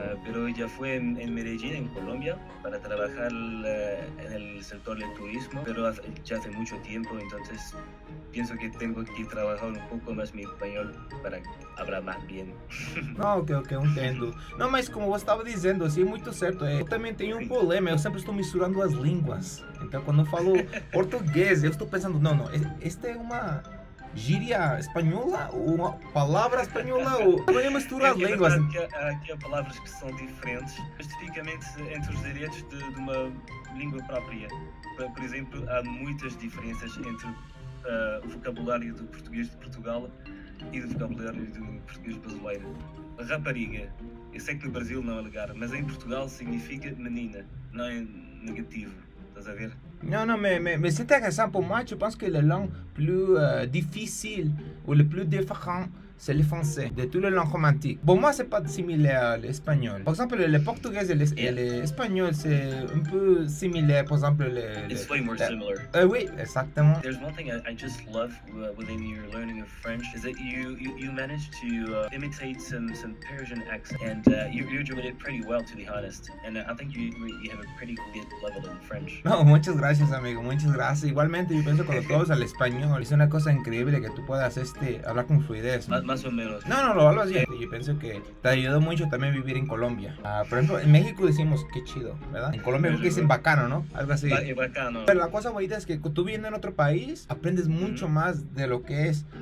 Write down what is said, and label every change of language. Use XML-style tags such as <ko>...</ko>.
<es>Pero ya fue en Medellín, en Colombia, para trabajar en el sector del turismo, pero ya hace mucho tiempo, entonces pienso que tengo que trabajar un poco más mi español para hablar más bien. No, okay, entiendo. No, mas como vos estaba diciendo, sí, muy cierto. Yo también tengo un problema, yo siempre estoy misturando las lenguas. Entonces, cuando falo portugués, yo estoy pensando, no, este es una</es> <pt>gíria espanhola, uma palavra espanhola, ou uma mistura de línguas. Aqui há palavras que são diferentes, especificamente entre os dialetos de uma língua própria. Por exemplo, há muitas diferenças entre o vocabulário do português de Portugal e do vocabulário do português brasileiro. Rapariga, eu sei que no Brasil não é legal, mas em Portugal significa menina, não é negativo.</pt> <fr>Non, mais c'est intéressant pour moi. Je pense que la langue plus difficile ou la plus différente, c'est le français, de toutes les langues romantiques. Pour moi, c'est pas similaire à l'espagnol. Par exemple, le portugais et l'espagnol, c'est un peu similaire, par exemple.</fr> <en>It's way more similar.</en> <fr>Oui, exactement.</fr> <en>There's one thing I just love within your learning of French, is that you manage to imitate some Persian accent, and you're doing it pretty well, to be honest. And I think you have a pretty good level in French.</en> <es>No, muchas gracias, amigo, muchas gracias. Igualmente, yo pienso cuando todos al español, es una cosa increíble que tú puedas hablar con fluidez. Más o menos. No, lo hablo así. Yo pienso que te ayudó mucho también vivir en Colombia. Por ejemplo, en México decimos qué chido, ¿verdad? En Colombia creo que dicen bacano, ¿no? Algo así. Bacano. Pero la cosa bonita es que tú viviendo en otro país, aprendes mucho más de lo que es.</es>